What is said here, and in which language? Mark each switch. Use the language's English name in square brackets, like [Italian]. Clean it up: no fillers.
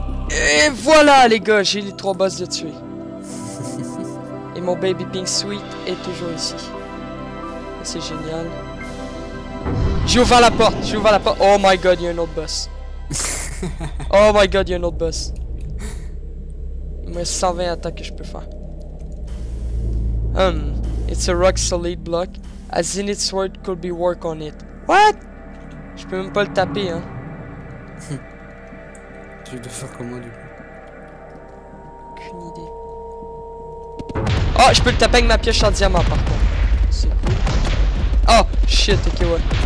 [French] Ouais, et voilà les gars, j'ai les trois boss de tuer. Et mon baby pink sweet est toujours ici. C'est génial. J'ai ouvert la porte, j'ai ouvert la porte. [English] Oh my god, [French] il y a un autre boss. Oh my god, il y a un autre boss. Il me reste 120 attaques que je peux faire. [English] It's a rock solid block. A zenith sword could be work on it. What? [French] Je peux même pas le taper, hein. Tu dois faire comment, du coup? Aucune idée. Oh, je peux le taper avec ma pioche en diamant, par contre. C'est cool. [English] Oh, shit, [French] ok, ouais.